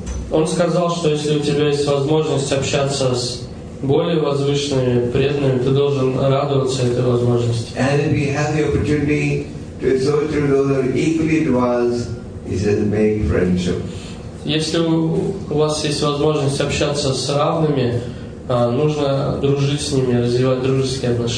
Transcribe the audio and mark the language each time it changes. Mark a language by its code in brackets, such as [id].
[ru] Он сказал, что если у тебя есть возможность общаться с более возвышенными преданными, ты должен радоваться этой возможности. [en] And if you have the opportunity to associate with those who are equally advanced, he says, make friendship. [ru] Если у вас есть возможность общаться с равными, нужно дружить с ними, развивать дружеские